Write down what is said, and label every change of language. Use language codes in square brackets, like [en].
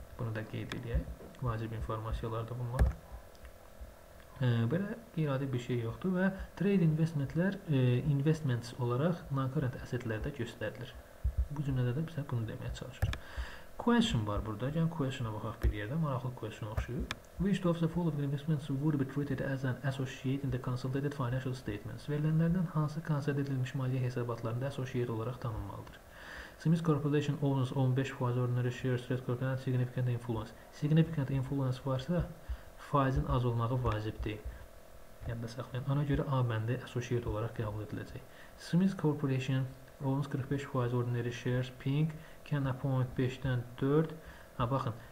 [az] Bunu da qeyd edək. Vacib informasiyalar da bunlar. Belə qeyri-adi bir şey yoxdur və trade investmentlər investments olaraq non-current assetlərdə göstərilir. Bu cümlədə də bizə bunu deməyə çalışır. Question var burada. Gəlin question-a baxaq bir yerdə. Maraqlı question oxşuyur. [en] Which of the following investments would be treated as an associate in the consolidated financial statements? [az] Verilənlərdən hansı konsolidə edilmiş maliyyə hesabatlarında associate olaraq tanınmalıdır? [en] Smith Corporation owns 15% ordinary shares, Red Corporation significant influence. [az] Significant influence varsa, faizin az olmağı vacibdir. Yadda saxlayın. Ona görə A bəndi associate olaraq qəbul ediləcək. [en] Smith Corporation owns 45% ordinary shares, Pink can appoint [az] 5-dən 4. Ha, baxın.